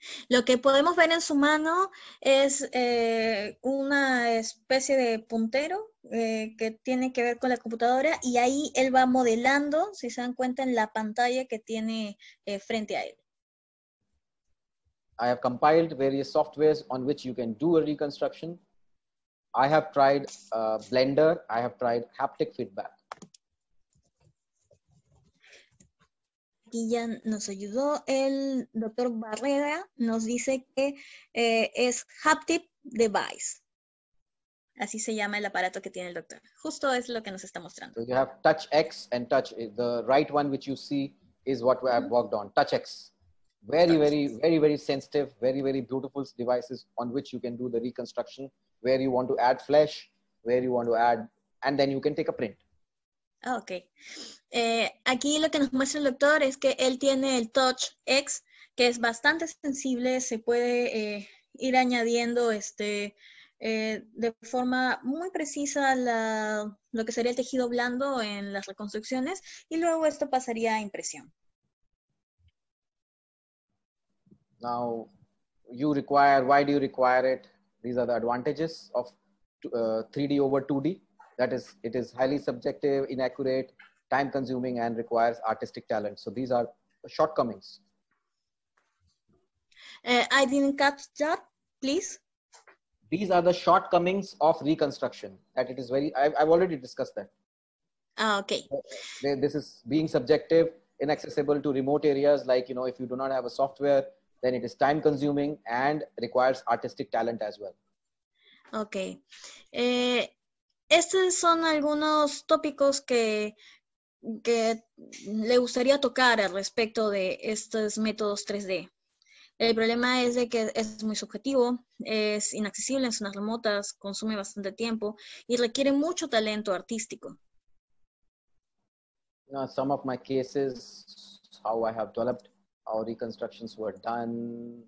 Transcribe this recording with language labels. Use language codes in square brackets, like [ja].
[es] Lo que podemos ver en su mano es una especie de puntero que tiene que ver con la computadora y ahí él va modelando, si se dan cuenta, en la pantalla que tiene frente a él. [en] I have compiled various softwares on which you can do a reconstruction. I have tried Blender. I have tried haptic feedback. [es] Aquí ya nos ayudó el doctor Barrera, nos dice que es Haptic Device. Así se llama el aparato que tiene el doctor. Justo es lo que nos está mostrando. [en] So you have Touch X and Touch. The right one which you see is what I've worked on. Touch X. Very, very, very, very sensitive, very, very beautiful devices on which you can do the reconstruction, where you want to add flesh, where you want to add, and then you can take a print. Ok. [es] Aquí lo que nos muestra el doctor es que él tiene el Touch X, que es bastante sensible, se puede ir añadiendo de forma muy precisa lo que sería el tejido blando en las reconstrucciones, y luego esto pasaría a impresión. [en] Now, you require, why do you require it? These are the advantages of 3D over 2D. That is, it is highly subjective, inaccurate, time-consuming, and requires artistic talent. So these are shortcomings. I didn't catch that, please. These are the shortcomings of reconstruction. That it is very, I've already discussed that. Okay. This is being subjective, inaccessible to remote areas. Like, you know, if you do not have a software, then it is time-consuming and requires artistic talent as well. Okay. [es] Estos son algunos tópicos que le gustaría tocar al respecto de estos métodos 3D. El problema es de que es muy subjetivo, es inaccesible en zonas remotas, consume bastante tiempo y requiere mucho talento artístico. [en] You know, some of my cases, how I have developed our reconstructions were done.